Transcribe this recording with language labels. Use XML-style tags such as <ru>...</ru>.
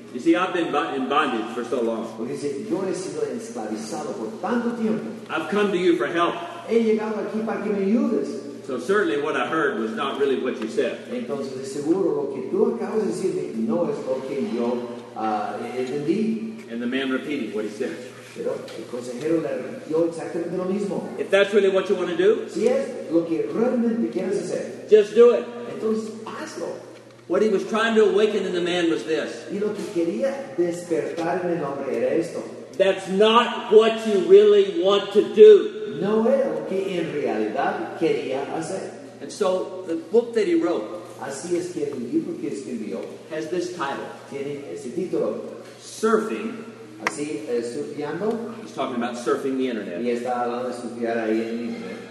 <en>You see, I've been in bondage for so long.</en> <es>Porque dice, yo he sido esclavizado por tanto tiempo.</es> <en>I've come to you for help.</en> <es>He llegado aquí para que me ayudes.</es> <en>So certainly what I heard was not really what you said.</en> <es>Entonces, de seguro lo que tú acabas de decirme no es lo que yo entendí.</es> <en>And the man repeated what he said.</en> <es>Pero el consejero le repitió exactamente lo mismo.</es> <en>If that's really what you want to do,</en> <es>si es lo que realmente quieres hacer,</es> <en>just do it.</en> <es>Entonces, hazlo.</es> <en>What he was trying to awaken in the man was this.</en> <es>Y lo que quería despertar en el hombre era esto.</es> <en>That's not what you really want to do.</en> <es>No era lo que en realidad quería hacer.</es> <en>And so the book that he wrote,</en> <es>así es que el libro que escribió,</es> <en>has this title.</en> <es>Tiene ese título.</es> <en>Surfing</en> <es>Así, surfeando.</es> <en>He's talking about surfing the internet.</en> <es>Y está hablando de surfear ahí en internet.</es>